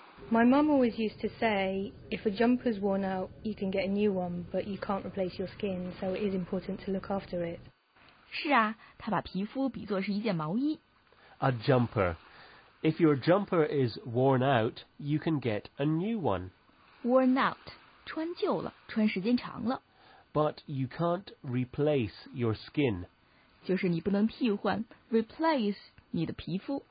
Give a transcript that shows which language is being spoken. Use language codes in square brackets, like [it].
[en] My mom always used to say, if a jumper's worn out, you can get a new one, but you can't replace your skin, so it is important to look after it. [zh] 是啊，他把皮肤比作是一件毛衣。 [en] A jumper. If your jumper is worn out, you can get a new one. Worn out. [zh] 穿旧了，穿时间长了。 [en] But you can't replace your skin. [zh] 就是你不能替换 replace 你的皮肤。